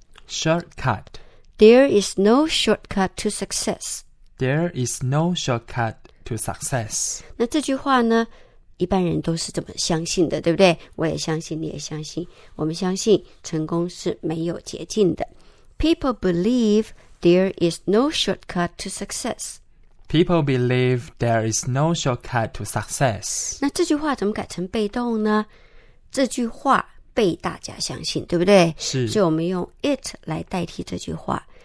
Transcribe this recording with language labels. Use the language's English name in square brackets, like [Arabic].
[English] Shortcut There is no shortcut to success There is no shortcut to success [Chinese] 那这句话呢一般人都是这么相信的，对不对？我也相信，你也相信。我们相信成功是没有捷径的。 [English] People believe there is no shortcut to success. People believe there is no shortcut to success. [Chinese] 那这句话怎么改成被动呢？这句话被大家相信，对不对？是。所以我们用 it 来代替这句话。